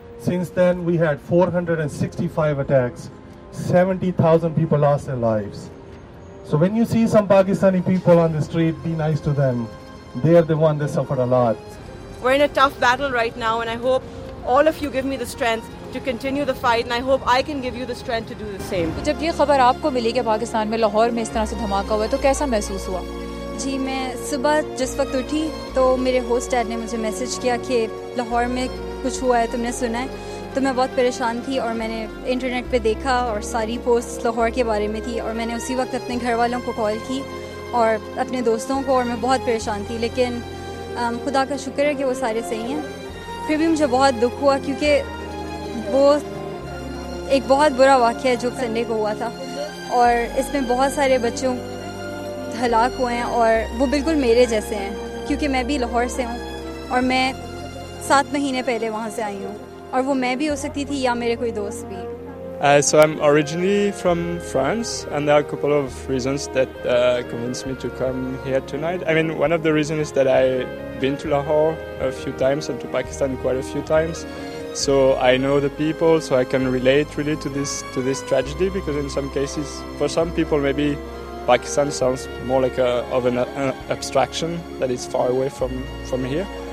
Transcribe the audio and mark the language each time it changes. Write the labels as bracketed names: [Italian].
[English] Since then, we had 465 attacks. 70,000 people lost their lives. So when you see some Pakistani people on the street, be nice to them. They are the ones that suffered a lot. We're in a tough battle right now, and I hope all of you give me the strength to continue the fight, and I hope I can give you the strength to do the same. [Hindi] जब ये खबर आपको मिली कि पाकिस्तान में लाहौर में इस तरह से धमाका हुआ, तो कैसा महसूस हुआ? जी, मैं सुबह जिस वक्त उठी तो मेरे होस्ट डैड ने मुझे मैसेज किया कि लाहौर में कुछ हुआ है, तुमने सुना है? तो मैं बहुत परेशान थी और मैंने इंटरनेट पे देखा और सारी पोस्ट लाहौर के बारे में थी, और मैंने उसी वक्त अपने घर वालों को कॉल की और अपने दोस्तों को, और मैं बहुत परेशान थी, लेकिन खुदा का शुक्र है कि वो सारे सही हैं। फिर भी मुझे बहुत दुख हुआ क्योंकि वो एक बहुत बुरा वाक़या है जो संडे को हुआ था, और इसमें बहुत सारे बच्चों हलाक हुए हैं और वो बिल्कुल मेरे जैसे हैं, क्योंकि मैं भी लाहौर से हूँ और मैं 7 महीने पहले वहाँ से आई हूँ, और वो मैं भी हो सकती थी या मेरे कोई दोस्त भी। [English] So I'm originally from France, and there are a couple of reasons that convinced me to come here tonight. I mean, one of the reasons is that I've been to Lahore a few times and to Pakistan quite a few times. So I know the people, so I can relate really to this tragedy, because in some cases, for some people maybe Pakistan sounds more like an abstraction that is far away from here.